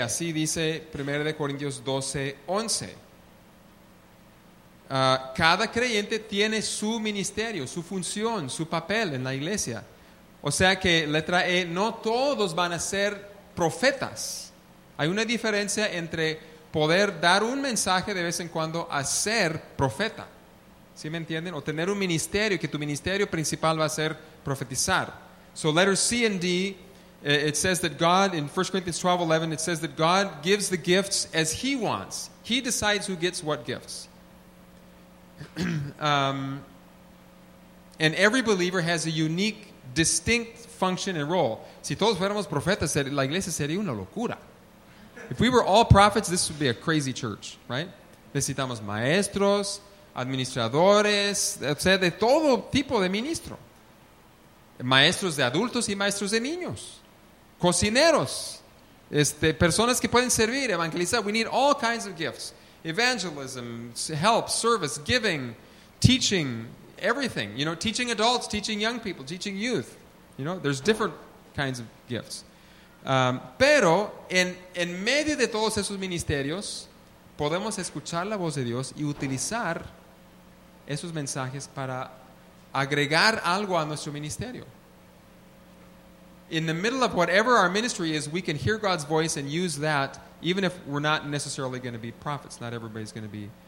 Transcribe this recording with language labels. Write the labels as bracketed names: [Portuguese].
[Spanish] Así dice 1 Corintios 12, 11. Cada creyente tiene su ministerio, su función, su papel en la iglesia. O sea que, letra E, no todos van a ser profetas. Hay una diferencia entre poder dar un mensaje de vez en cuando a ser profeta. ¿Sí me entienden? O tener un ministerio, que tu ministerio principal va a ser profetizar. [English] So letter C and D, it says that God, in 1 Corinthians 12, 11, it says that God gives the gifts as He wants. He decides who gets what gifts. And every believer has a unique, distinct function and role. [Spanish] Si todos fuéramos profetas, la iglesia sería una locura. [English] If we were all prophets, this would be a crazy church, right? [Spanish] Necesitamos maestros, administradores, o sea, de todo tipo de ministro. Maestros de adultos y maestros de niños. Cocineros. Personas que pueden servir, evangelizar. [English] We need all kinds of gifts. Evangelism, help, service, giving, teaching, everything. You know, teaching adults, teaching young people, teaching youth. You know, there's different kinds of gifts. [Spanish] Pero en medio de todos esos ministerios, podemos escuchar la voz de Dios y utilizar esos mensajes para agregar algo a nuestro ministerio. [English] In the middle of whatever our ministry is, we can hear God's voice and use that, even if we're not necessarily going to be prophets. Not everybody's going to be